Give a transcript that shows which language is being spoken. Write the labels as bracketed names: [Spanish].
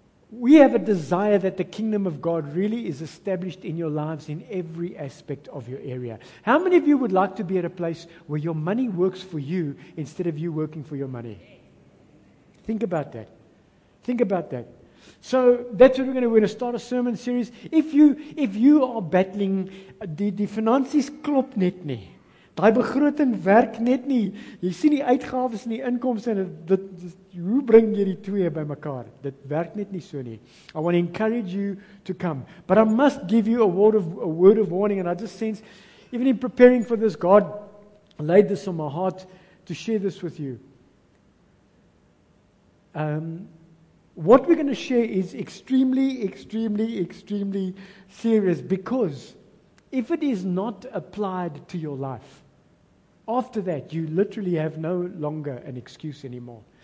[English] We have a desire that the kingdom of God really is established in your lives in every aspect of your area. How many of you would like to be at a place where your money works for you instead of you working for your money? Think about that. Think about that. So that's what we're going to start a sermon series. If you are battling [Afrikaans] die finansies klop net nie. Daai begroting werk net nie. Jy sien die uitgawes en die inkomste en dit hoe bring jy die twee bymekaar? Dit werk net nie so nie. [English] I want to encourage you to come. But I must give you a word of warning, and I just sense even in preparing for this, God laid this on my heart to share this with you. What we're going to share is extremely, extremely, extremely serious, because if it is not applied to your life, after that you literally have no longer an excuse anymore.